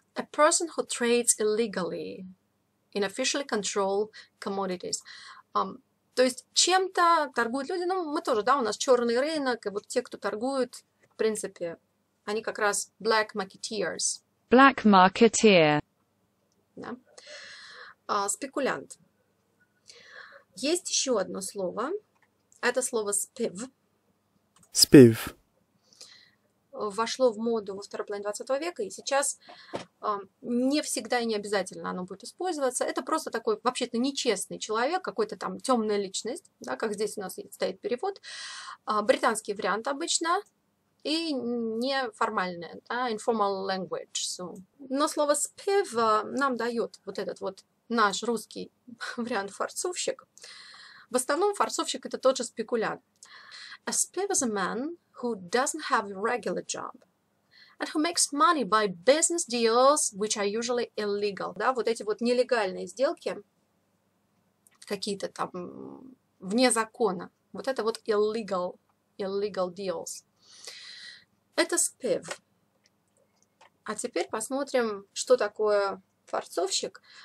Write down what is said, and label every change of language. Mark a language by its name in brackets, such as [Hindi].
[English] A person who trades illegally in officially controlled commodities. [Russian] То есть чем-то торгуют люди, ну мы тоже, да, у нас черный рынок, и вот те, кто торгуют, в принципе, они как раз black marketeers. [English] Black marketeer. [Russian] Да. Спекулянт. Есть еще одно слово. Это слово spiv. Спив. Вошло в моду во второй половине 20 века, и сейчас не всегда и не обязательно оно будет использоваться. Это просто такой, вообще-то, нечестный человек, какой-то там темная личность, да, как здесь у нас стоит перевод. Британский вариант обычно, и неформальный, да, [English] informal language. So. [Russian] Но слово спив нам дает вот этот вот наш русский вариант фарцовщик. В основном фарцовщик — это тот же спекулянт. [English] A spiv is a man who doesn't have a regular job and who makes money by business deals, which are usually illegal. [Russian] Да, вот эти вот нелегальные сделки, какие-то там вне закона. Вот это вот [English] illegal, illegal deals. [Russian] Это spiv. А теперь посмотрим, что такое фарцовщик.